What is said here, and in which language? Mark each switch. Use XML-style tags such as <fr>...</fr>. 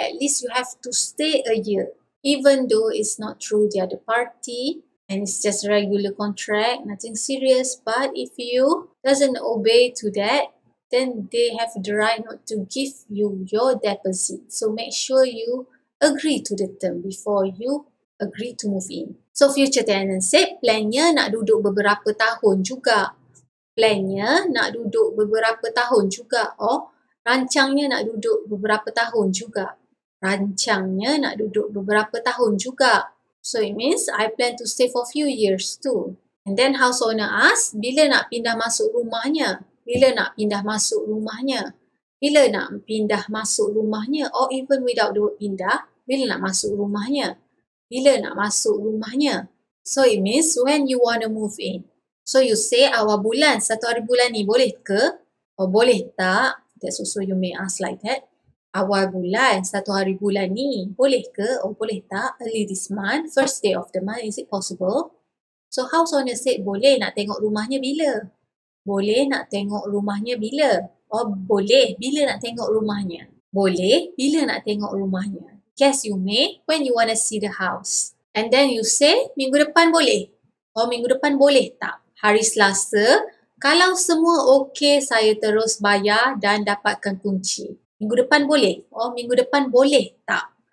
<en>At least you have to stay a year. Even though it's not through the other party and it's just regular contract, nothing serious. But if you doesn't obey to that, then they have the right not to give you your deposit. So make sure you agree to the term before you agree to move in. So future tenant said,</en> <ms>plannya nak duduk beberapa tahun juga. Plannya nak duduk beberapa tahun juga. Or rancangnya nak duduk beberapa tahun juga. Rancangnya nak duduk beberapa tahun juga.</ms> <en>So it means I plan to stay for few years too. And then house owner ask,</en> <ms>bila nak pindah masuk rumahnya? Bila nak pindah masuk rumahnya? Bila nak pindah masuk rumahnya?</ms> <en>Or even without the word pindah,</en> <ms>bila nak masuk rumahnya? Bila nak masuk rumahnya?</ms> <en>So it means when you want to move in. So you say</en> <ms>awal bulan, 1 hari bulan ni boleh ke? Or boleh tak?</ms> <en>That's also you may ask like that.</en> <ms>Awal bulan, 1 hari bulan ni boleh ke? Or boleh tak?</ms> <en>Early this month, first day of the month, is it possible? So house owner said</en> <ms>boleh nak tengok rumahnya bila? Boleh nak tengok rumahnya bila? Oh, boleh. Bila nak tengok rumahnya? Boleh. Bila nak tengok rumahnya?</ms> <en>Guess you may when you want to see the house. And then you say,</en> <ms>minggu depan boleh? Oh, minggu depan boleh tak? Hari Selasa, kalau semua okey, saya terus bayar dan dapatkan kunci. Minggu depan boleh? Oh, minggu depan boleh tak?</ms>